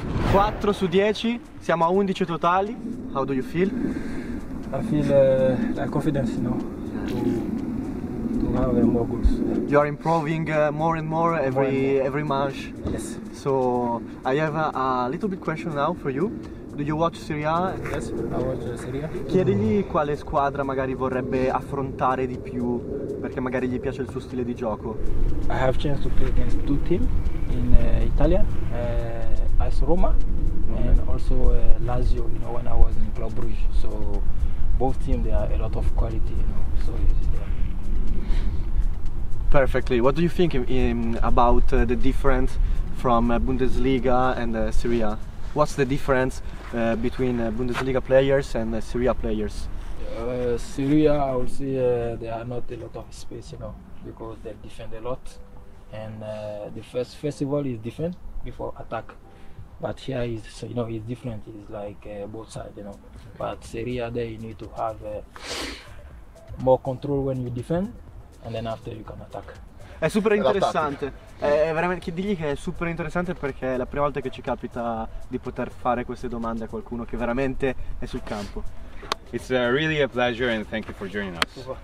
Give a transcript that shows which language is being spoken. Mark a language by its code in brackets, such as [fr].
[it] Quattro su 10, siamo a 11 totali. [en] How do you feel? I feel like confidence, no? To have more goals. You are improving more and more every match. Yes. So I have a little bit question now for you. Do you watch Serie A? Yes, I watch Serie A. [it] Chiedigli quale squadra magari vorrebbe affrontare di più, perché magari gli piace il suo stile di gioco. [en] I have chance to play against two teams in Italia. AS Roma and also Lazio, you know, when I was in Club Brugge. So both teams, they are a lot of quality, you know, so perfectly. What do you think about the difference from Bundesliga and Serie A? What's the difference between Bundesliga players and Serie A players? Serie A, I would say there are not a lot of space, you know, because they defend a lot, and the first festival is defend before attack. But here is, so, you know, it's different. It's like both sides, you know. But Serie A, there you need to have more control when you defend, and then after you can attack. [it] È super interessante. È veramente, che digli che è super interessante, perché è la prima volta che ci capita di poter fare queste domande a qualcuno che veramente è sul campo. [en] It's really a pleasure and thank you for joining us.